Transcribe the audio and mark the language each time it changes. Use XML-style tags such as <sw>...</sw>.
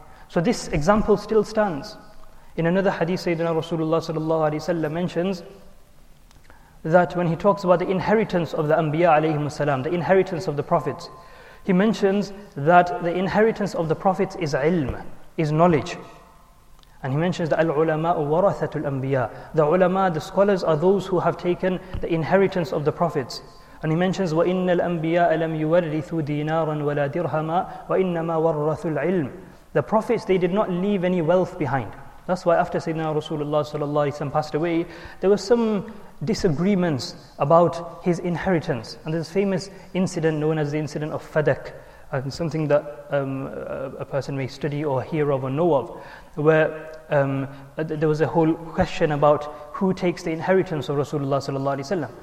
<en>So this example still stands. In another hadith, Sayyidina Rasulullah sallallahu alayhi wa sallam mentions that when he talks about the inheritance of the Anbiya alayhi wa sallam, the inheritance of the Prophets, he mentions that the inheritance of the Prophets is ilm, is knowledge. And he mentions that</en> <ar>al-ulama'u warathatul anbiya.</ar> <en>The ulama, the scholars, are those who have taken the inheritance of the Prophets. And he mentions,</en> <ar>وَإِنَّ الْأَنْبِيَاءَ لَمْ يُوَرِّثُوا دِينَارًا وَلَا دِرْهَمًا وَإِنَّمَا وَرَّثُوا الْعِلْمِ.</ar> <en>The Prophets, they did not leave any wealth behind. That's why after Sayyidina Rasulullah sallallahu alayhi wa sallam passed away, there were some disagreements about his inheritance. And there's a famous incident known as the incident of Fadak, and something that a person may study or hear of or know of, where there was a whole question about who takes the inheritance of Rasulullah sallallahu alayhi wa sallam.</en>